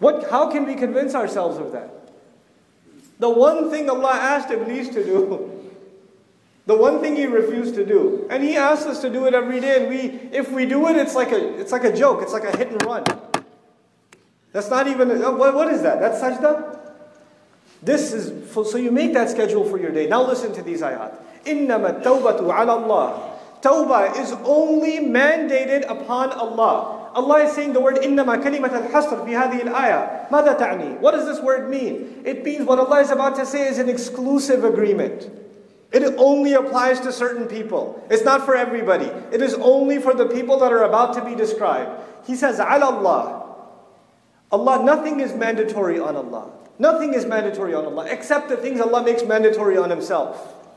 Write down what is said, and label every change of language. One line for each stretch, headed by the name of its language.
English: How can we convince ourselves of that? The one thing Allah asked Iblis to do, the one thing he refused to do, and he asked us to do it every day, and if we do it, it's like a joke, it's like a hit and run. That's not even, what is that? That's sajda? This is, so you make that schedule for your day. Now listen to these ayat.
Arabic: إِنَّمَا التَّوْبَةُ عَلَى اللَّهِ.
English: Tawbah is only mandated upon Allah. Allah is saying the word
Arabic: إِنَّمَا كَلِمَةَ الْحَصْرِ فِي هَذِهِ الْآيَةِ. مَاذَا تَعْنِي.
English: What does this word mean? It means what Allah is about to say is an exclusive agreement. It only applies to certain people. It's not for everybody. It is only for the people that are about to be described. He says,
Arabic: عَلَى اللَّهِ.
English: Allah, nothing is mandatory on Allah. Nothing is mandatory on Allah, except the things Allah makes mandatory on Himself.